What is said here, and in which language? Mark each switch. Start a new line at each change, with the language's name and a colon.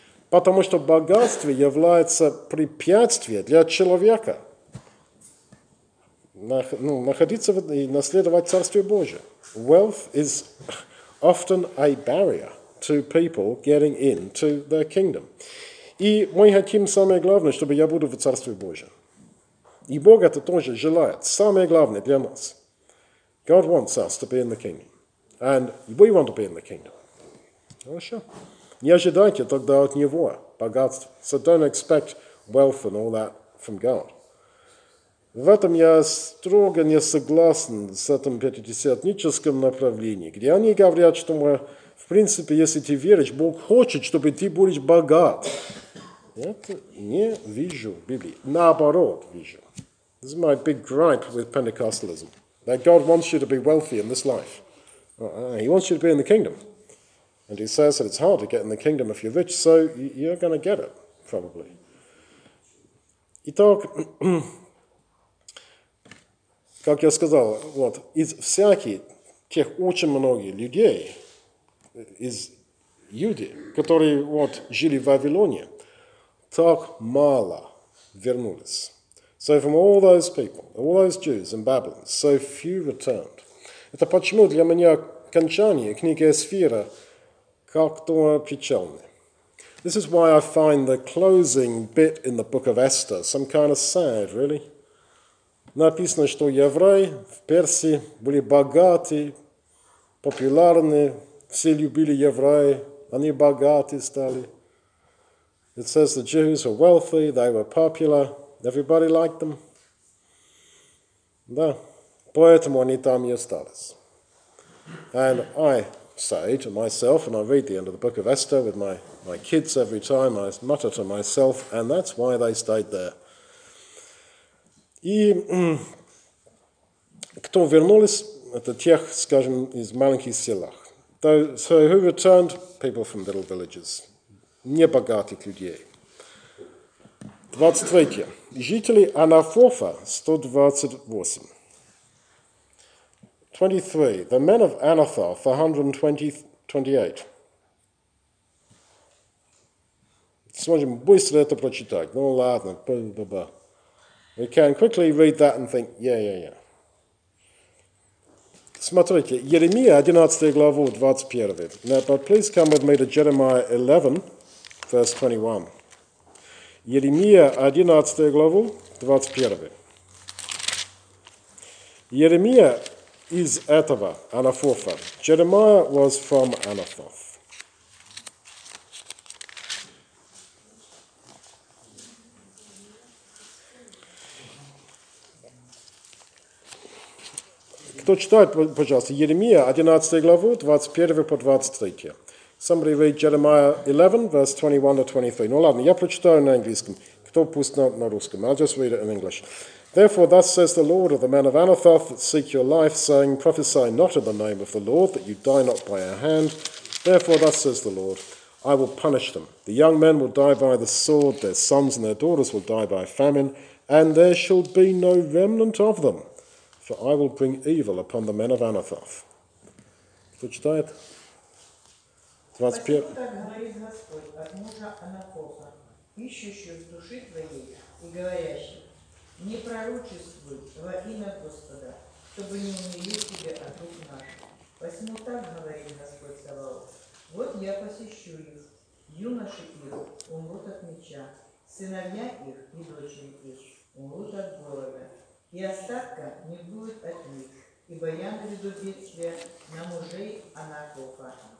Russian: Потому что богатство является препятствием для человека находиться и наследовать Царствие Божие.
English: Wealth is often a barrier to people getting into the kingdom.
Russian: И мы хотим самое главное, чтобы я буду в Царстве Божьем. И Бог это тоже желает. Самое главное для нас.
English: God wants us to be in the kingdom. And we want to be in the kingdom.
Russian: Хорошо. Не ожидайте тогда от Него богатства.
English: So don't expect wealth and all that from God.
Russian: В этом я строго не согласен с этим пятидесятническим направлением, где они говорят, что мы, в принципе, если ты веришь, Бог хочет, чтобы ты будешь богат. Это не вижу в Библии. Наоборот, вижу.
English: This is my big gripe with Pentecostalism. That God wants you to be wealthy in this life. He wants you to be in the kingdom. And he says that it's hard to get in the kingdom if you're rich, so you're going to get it, probably.
Russian: Итак, как я сказал, вот, из всяких тех очень многих людей, из юдей, которые вот, жили в Вавилоне, так мало вернулись.
English: So from all those people, all those Jews in Babylon, so few returned.
Russian: Это почему для меня окончание книги Эсфира как-то печальное.
English: This is why I find the closing bit in the book of Esther some kind of sad, really.
Russian: Написано, что евреи в Персии были богаты, популярны, все любили евреи, они богаты стали.
English: It says the Jews were wealthy, they were popular, everybody liked them.
Russian: Да, поэтому они там и остались.
English: And I say to myself, and I read the end of the book of Esther with my kids every time, I mutter to myself, and that's why they stayed there.
Russian: И кто вернулись, это тех, скажем, из маленьких селах.
English: So who returned? People from little villages.
Russian: Небогатых людей.
English: 23.
Russian: Жители Анафофа, 128.
English: 23. The men of Anathoth, 128.
Russian: Сможем быстро это прочитать. Ну ладно, ба-ба-ба.
English: We can quickly read that and think, yeah.
Russian: Смотрите, Еремия, 11 главу, 21.
English: Now, but please come with me to Jeremiah 11, verse 21.
Russian: Еремия, 11 главу, 21. Еремия из этого, Анафофа.
English: Jeremiah was from Anathoth.
Russian: Кто читает, пожалуйста, Еремия, 11 главу, 21 по 23.
English: Somebody read Jeremiah 11, verse 21 to 23.
Russian: Ну ладно, я прочитаю на английском. Кто пусть на русском.
English: I'll just read it in English. Therefore, thus says the Lord of the men of Anathoth that seek your life, saying, prophesy not in the name of the Lord, that you die not by our hand. Therefore, thus says the Lord, I will punish them. The young men will die by the sword, their sons and their daughters will die by famine, and there shall be no remnant of them, for I will bring evil upon the men of Anathoth.
Russian: Кто читает? Почему так говорит Господь от мужа Анатоха, ищущего в души твоей и говорящего, не пророчествуй во имя Господа, чтобы не умели тебя от рук наших. Почему так говорит Господь Саваоф? Вот я посещу их, юноши их умрут от меча, сыновья их и дочери их умрут от голода, и остатка не будет от них, ибо я наведу бедствие на мужей Анатоха.